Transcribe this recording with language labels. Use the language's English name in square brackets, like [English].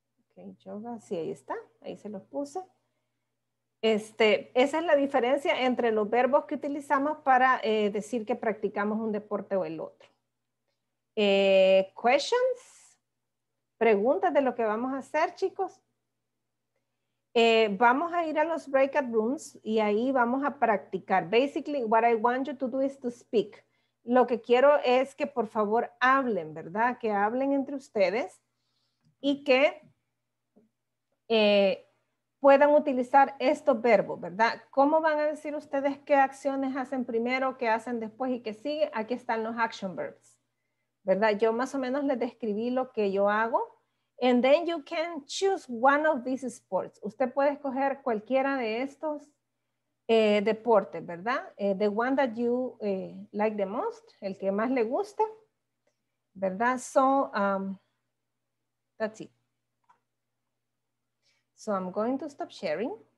[Spanish] Ok, yoga, sí, ahí está, ahí se los puse. Esa es la diferencia entre los verbos que utilizamos para decir que practicamos un deporte o el otro. Questions, preguntas de lo que vamos a hacer, chicos. Vamos a ir a los breakout rooms y ahí vamos a practicar. [English] Basically, what I want you to do is to speak. [Spanish] Lo que quiero es que por favor hablen, ¿verdad? Que hablen entre ustedes y que puedan utilizar estos verbos, ¿verdad? ¿Cómo van a decir ustedes qué acciones hacen primero, qué hacen después y qué sigue? Aquí están los action verbs, ¿verdad? Yo más o menos les describí lo que yo hago. [English] And then you can choose one of these sports. [Spanish] Usted puede escoger cualquiera de estos deportes, ¿verdad? [English] The one that you like the most, [Spanish] el que más le gusta, ¿verdad? [English] So, that's it. So I'm going to stop sharing.